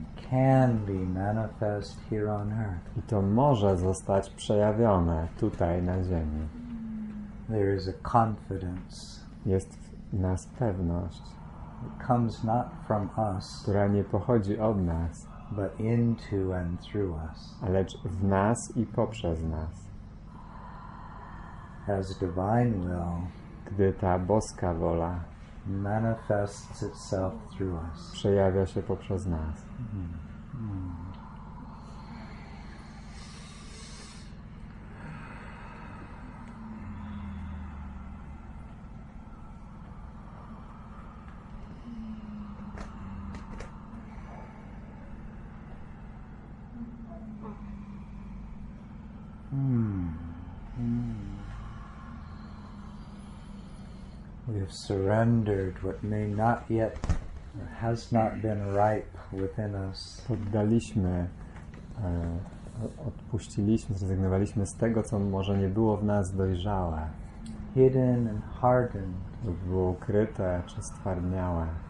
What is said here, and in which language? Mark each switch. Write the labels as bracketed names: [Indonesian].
[English] Can be manifest here on earth. [Polish] I to może zostać przejawione tutaj na ziemi. [English] There is a confidence. [Polish] Jest w nas pewność. [English] It comes not from us. [Polish] Która nie pochodzi od nas. [English] But into and through us. [Polish] Ale w nas i poprzez nas. [English] As divine will. [Polish] Gdy ta boska wola [English] manifests itself through us. [Polish] Przejawia się poprzez nas. [English] Surrendered what may not yet has not been ripe within us. [Polish] Poddaliśmy, odpuściliśmy, zrezygnowaliśmy z tego, co może nie było w nas dojrzałe. [English] Hidden and hardened. [Polish] To było ukryte czy stwardniałe.